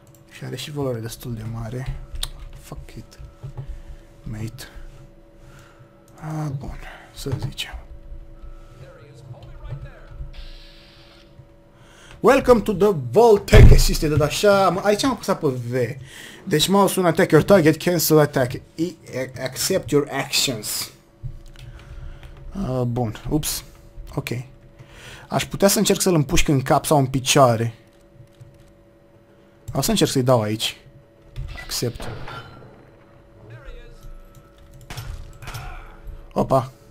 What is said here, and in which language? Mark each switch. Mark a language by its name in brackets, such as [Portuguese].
[Romanian] Și are și valoare destul de mare. Fuck it. Mate. Ah, bun. Să zicem. [English] Welcome to the Vault Tech Assisted, [Romanian] așa, aici am apăsat pe V. Deci mouse-ul, [English] attack your target, cancel attack, accept your actions. [Romanian] Bun, ups, ok. Aș putea să încerc să-l împușc în cap sau în picioare. O să încerc să-i dau aici. Accept. Opa.